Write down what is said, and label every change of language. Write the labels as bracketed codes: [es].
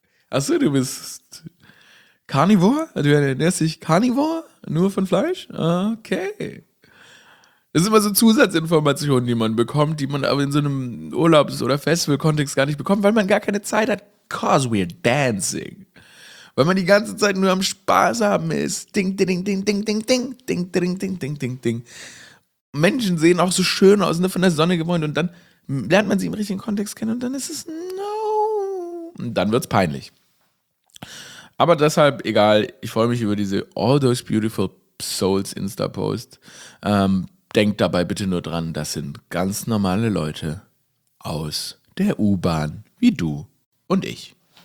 [de] Achso, du bist... Carnivore? Du ernährst dich Carnivore? Nur von Fleisch? Okay. Das sind immer so Zusatzinformationen, die man bekommt, die man aber in so einem Urlaubs- oder Festival-Kontext gar nicht bekommt, weil man gar keine Zeit hat. [en] Cause we're dancing. [de] Weil man die ganze Zeit nur am Spaß haben ist. Ding, ding, ding, ding, ding, ding, ding, ding, ding, ding, ding, ding, ding. Menschen sehen auch so schön aus, ne, von der Sonne gewohnt und dann lernt man sie im richtigen Kontext kennen und dann ist es no. Und dann wird's peinlich. Aber deshalb, egal, ich freue mich über diese All Those Beautiful Souls Insta-Post. Denkt dabei bitte nur dran, das sind ganz normale Leute aus der U-Bahn, wie du und ich.